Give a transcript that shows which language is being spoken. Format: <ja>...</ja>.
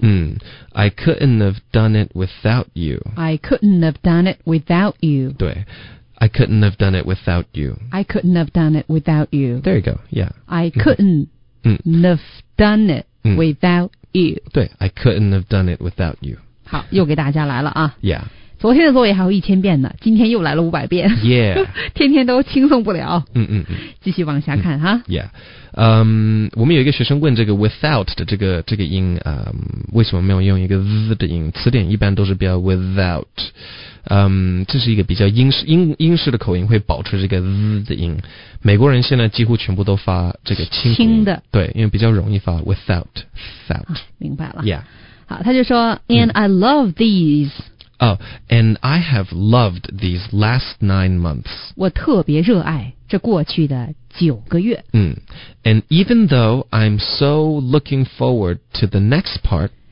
<en>嗯 ,I couldn't have done it without you. I couldn't have done it without you. 对。I couldn't have done it without you. I couldn't have done it without you. There you go. Yeah. I couldn't have done it without you. 对 ，I couldn't have done it without you.</en> <zh>好，又给大家来了啊。</zh> <en>Yeah.</en> <zh>昨天的作业还有1000遍呢，今天又来了500遍。</zh> <en>Yeah.</en> <zh>天天都轻松不了。嗯嗯嗯。继续往下看哈。 Yeah. 我们有一个学生问这个 without 的这个音啊、为什么没有用一个 z 的音？词典一般都是标 without。这是一个比较英式的口音，会保持这个 z 的音。美国人现在几乎全部都发这个轻的，对，因为比较容易发 without、啊。明白了。</zh> <en>Yeah.</en> <zh>好，他就说</zh> <en>，and I love these。 Oh, and I have loved these last 9 months.</en> <zh>我特别热爱这过去的9个月。</zh> <en>嗯 ，and even though I'm so looking forward to the next part.</en>